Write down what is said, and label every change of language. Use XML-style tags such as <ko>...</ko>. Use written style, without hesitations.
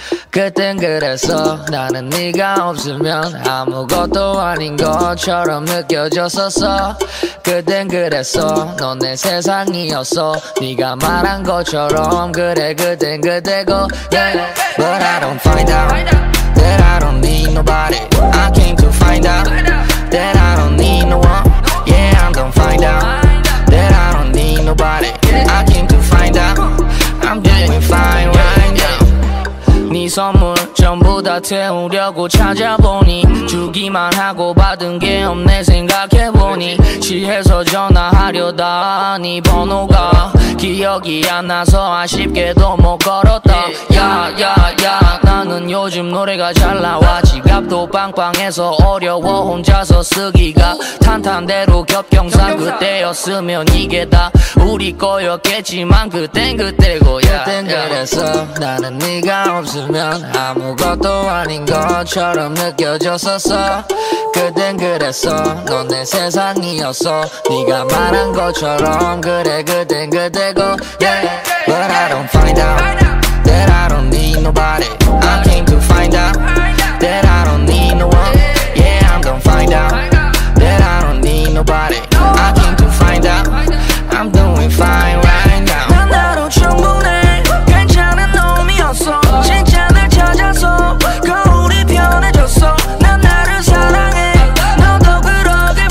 <ko>그땐 그랬어 나는 네가 없으면 아무것도 아닌 것처럼 느껴졌었어 그땐 그랬어 넌 내 세상이었어 네가 말한 것처럼 그래 그땐 그대고 yeah.</ko> <en>But I don't find out that I don't need nobody I came to find out that I don't need no one Don't find out that I don't need nobody. I came to find out I'm doing fine right now.</en> <ko>네 선물 전부 다 태우려고 찾아보니 주기만 하고 받은 게 없네 생각해보니 취해서 전화하려다 네 번호가 기억이 안 나서 아쉽게도 못 걸었다 야야야 나는 요즘 노래가 잘 나와 지갑도 빵빵해서 어려워 혼자서 쓰기가 탄탄대로 겹경사 그때였으면 이게 다 우리 거였겠지만 그땐 그때고 그땐 그랬어 나는 네가 없으면 아무것도 아닌 것처럼 느껴졌었어 그땐 그랬어 넌 내 세상이었어 네가 말한 것처럼 그래 그땐 그대고 yeah.</ko> <en>But I don't find out that I don't need nobody I came to find out that I don't need no one Yeah I'm gonna find out that I don't need nobody I came to find out I'm doing fine right now</en> <ko>난 나로 충분해 괜찮은 놈이었어 진짜 날 찾아서 거울이 변해졌어 난 나를 사랑해 너도 그런</ko>